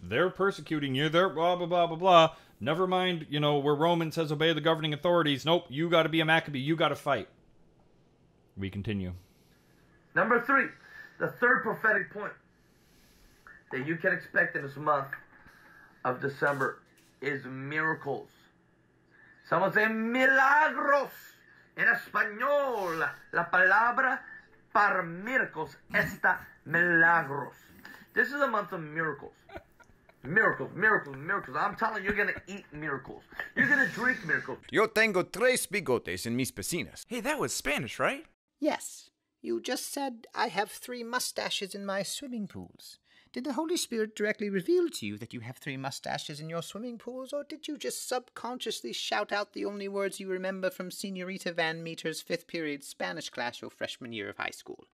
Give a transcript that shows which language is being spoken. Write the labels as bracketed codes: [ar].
[en] They're persecuting you. They're blah, blah, blah, blah, blah. Never mind, you know, where Roman says obey the governing authorities. Nope, you got to be a Maccabee. You got to fight. We continue. Number three, the third prophetic point that you can expect in this month of December is miracles. Someone say milagros. [es] En español, la palabra para miracles está milagros. [en] This is a month of miracles. Miracles, miracles, miracles. I'm telling you, you're going to eat miracles. You're going to drink miracles. [es] Yo tengo tres bigotes en mis piscinas. [en] Hey, that was Spanish, right? Yes. You just said, I have three mustaches in my swimming pools. Did the Holy Spirit directly reveal to you that you have three mustaches in your swimming pools, or did you just subconsciously shout out the only words you remember from Senorita Van Meter's fifth period Spanish class your freshman year of high school?